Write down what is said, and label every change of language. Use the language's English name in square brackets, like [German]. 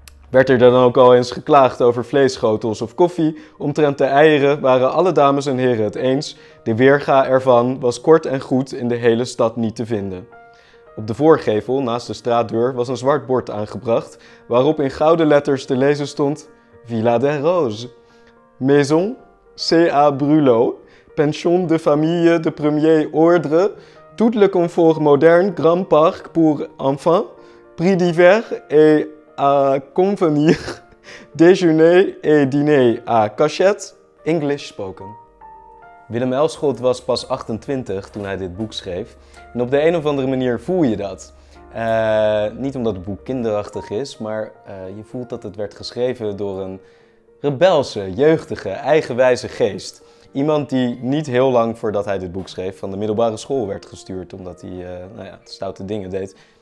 [Dutch] Werd er dan ook al eens geklaagd over vleesschotels of koffie, omtrent de eieren waren alle dames en heren het eens, de weerga ervan was kort en goed in de hele stad niet te vinden. Op de voorgevel, naast de straatdeur, was een zwart bord aangebracht, waarop in gouden letters te lezen stond Villa de Rose. [French] Maison C.A. Brulot, pension de famille de premier ordre, tout le confort moderne, grand parc pour enfants, prix divers et à convenir, déjeuner et dîner à cachette, [English] English spoken. [Dutch] Willem Elschot was pas 28 toen hij dit boek schreef en op de een of andere manier voel je dat. Niet omdat het boek kinderachtig is, maar je voelt dat het werd geschreven door een rebelse, jeugdige, eigenwijze geest. Iemand die niet heel lang voordat hij dit boek schreef van de middelbare school werd gestuurd omdat hij stoute dingen deed.